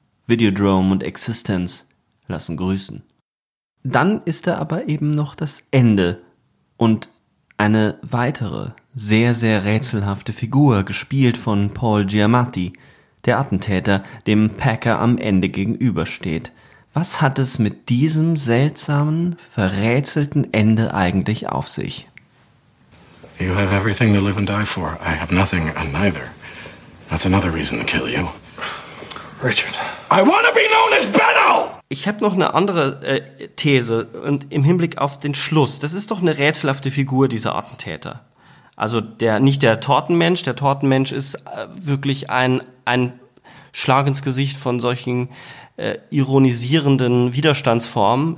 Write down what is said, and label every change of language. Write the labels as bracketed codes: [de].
[de] Videodrome und Existence lassen grüßen. Dann ist da aber eben noch das Ende und eine weitere, sehr, sehr rätselhafte Figur, gespielt von Paul Giamatti, der Attentäter, dem Packer am Ende gegenübersteht. Was hat es mit diesem seltsamen, verrätselten Ende eigentlich auf sich? [en] You have everything to live and die for. I have nothing and neither. That's another reason to kill you. Richard. I want to be known as Benno! [de] Ich habe noch eine andere These und im Hinblick auf den Schluss. Das ist doch eine rätselhafte Figur, dieser Attentäter. Also der Tortenmensch ist wirklich ein Schlag ins Gesicht von solchen ironisierenden Widerstandsformen.